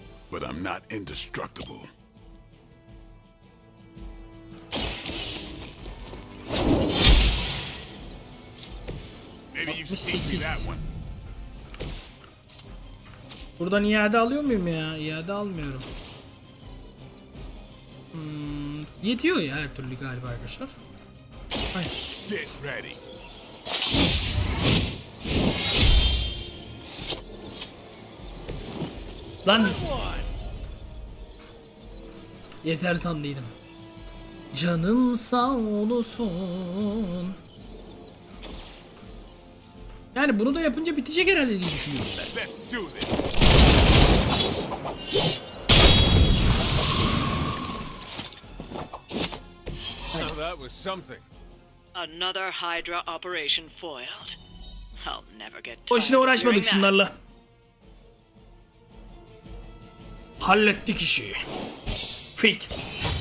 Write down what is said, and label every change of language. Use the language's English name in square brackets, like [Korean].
[English] but I'm not indestructible. Maybe you should teach me that one. [Turkish] Buradan iade alıyor muyum ya? İade almıyorum. Yetiyor ya her türlü galiba arkadaşlar. [English] Get ready. [Turkish] Lan. Yeter sandıydım. Canım sağ olsun. Yani bunu da yapınca bitecek herhalde diye düşünüyorum ben. [English] Let's do this. So that was something. Another Hydra operation foiled. I'll never get tired. [Turkish] Boşuna uğraşmadık şunlarla. Hallettik işi. Fix.